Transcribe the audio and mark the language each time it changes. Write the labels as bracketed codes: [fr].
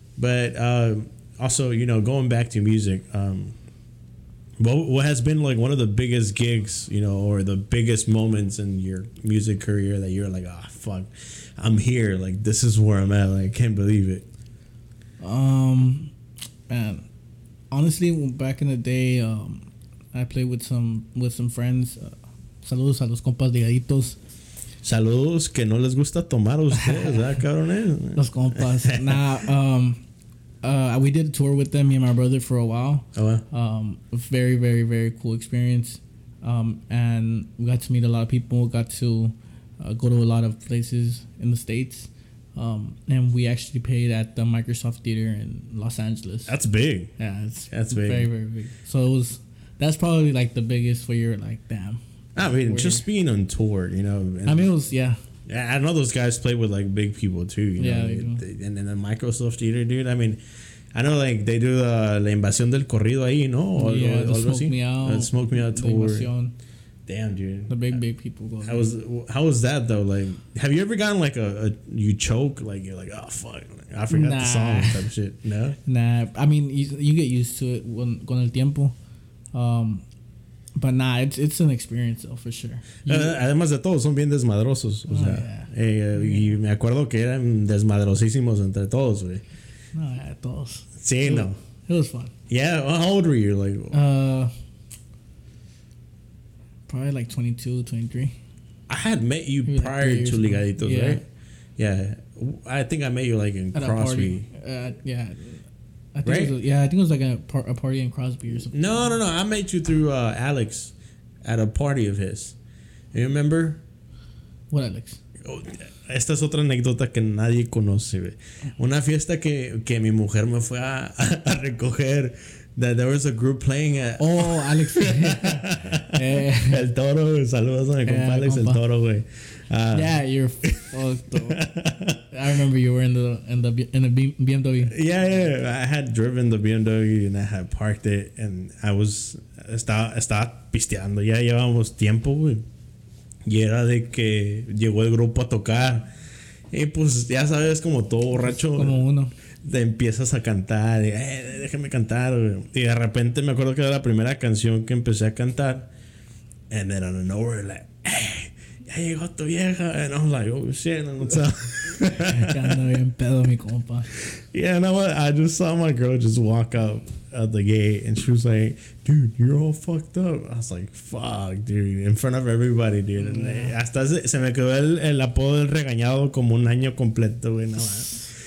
[en] But also, you know, going back to music, what has been, like, one of the biggest gigs, you know, or the biggest moments in your music career that you're like, ah, fuck, I'm here. Like, this is where I'm at. Like, I can't believe it. Man, honestly, back in the day, I played with some friends. [es] Saludos a los compas ligaditos. Saludos que no les gusta tomar a ustedes, ¿eh, cabrones? Los compas. [en] Nah, we did a tour with them, me and my brother, for a while. Oh, wow. Very, very, very cool experience. And we got to meet a lot of people. Got to go to a lot of places in the States. And we actually played at the Microsoft Theater in Los Angeles. That's big. Yeah, that's big. Very, very big. So it was... That's probably, like, the biggest where you're like, damn. I mean, just being on tour, you know. And I mean, it was, yeah. I know those guys play with, like, big people, too. You know? Yeah. And then the Microsoft Theater, dude. I mean, I know, like, they do the La Invasión del Corrido ahí, ¿no? Smoke Me Out tour. La Invasión. Damn, dude. The big, big people go. How was that, though? Like, have you ever gotten, like, you choke? Like, you're like, oh, fuck. Like, I forgot the song type shit. No? Nah. I mean, you get used to it con el tiempo. But nah, it's an experience though, for sure. [es] Además de todo, son bien desmadrosos. O sea, [en] yeah. [es] Y me acuerdo que eran desmadrosísimos entre todos, güey. No, yeah, todos. Sí, no. [en] It was fun. Yeah, well, how old were you? Like, probably like 22, 23. I had met you prior to Ligaditos, right? Yeah. I think I met you like in Crosby. I think it was like a party in Crosby or something. No. I met you through Alex at a party of his. You remember? What, Alex? [es] Oh, esta es otra anécdota que nadie conoce. Una fiesta que mi mujer me fue a recoger [en] that there was a group playing at... Oh, Alex. [es] El Toro. Saludos a mi compa Alex El Toro, güey. [en] Yeah, you're fucked up. I remember you were in the BMW. Yeah. I had driven the BMW and I had parked it and I was estaba pisteando. [es] Ya llevamos tiempo, güey. Y era de que llegó el grupo a tocar. Y pues ya sabes, como todo borracho. Como uno. Te empiezas a cantar. Déjame cantar, güey. Y de repente me acuerdo que era la primera canción que empecé a cantar. [en] And then out of nowhere, like, ya llegó tu vieja. And I was like, oh shit, no, what's up? [es] Ya ando bien pedo, mi compa. [en] Yeah, and I just saw my girl just walk up at the gate and she was like, dude, you're all fucked up. [es] I was like, fuck, dude, in front of everybody, dude. And hasta se me quedó el apodo del regañado como un año completo, güey, nada más.